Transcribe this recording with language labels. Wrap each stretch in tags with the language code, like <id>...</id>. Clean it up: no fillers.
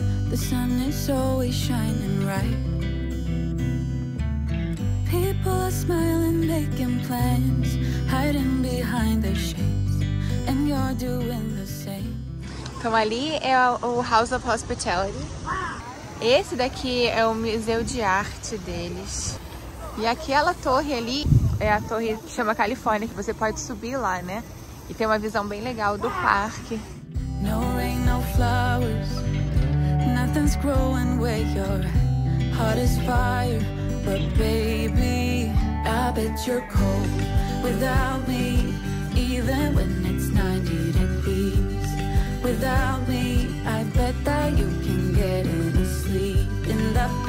<en>The sun is always shining bright. People are smiling, making plans, hiding behind the shades, and you're doing the same.</en> <pt>Então ali é o House of Hospitality. Esse daqui é o museu de arte deles. E aquela torre ali é a torre que chama Califórnia, que você pode subir lá, né? E tem uma visão bem legal do parque.</pt> <en>No rain, no flowers. Nothing's growing where your heart is fire. But baby, I bet you're cold without me. Even when it's 90 degrees. Without me, I bet that you can get any sleep in the</en>